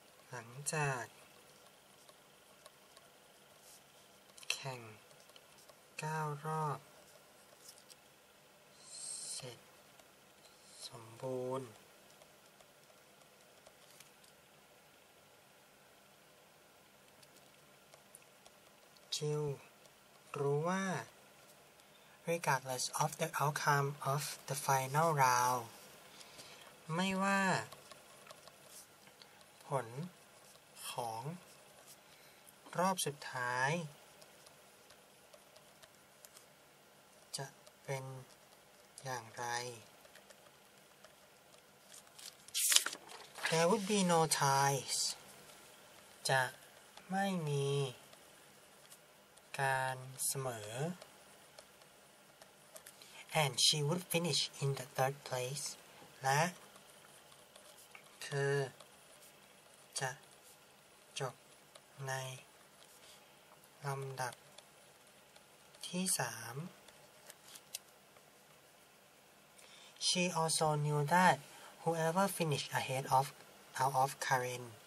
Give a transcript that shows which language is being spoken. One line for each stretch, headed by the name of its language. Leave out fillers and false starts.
Thai: หลังจากแข่ง9รอบเสร็จสมบูรณ์จิลรู้ว่า
English: regardless of the outcome of the final round
Thai: ไม่ว่าผลของรอบสุดท้ายเป็นอย่างไร
English: There would be no ties
Thai: จะไม่มีการเสมอ
English: And she would finish in the third place
Thai: และเธอจะจบในลำดับที่สาม
English: She also knew that whoever finished ahead of out of Karen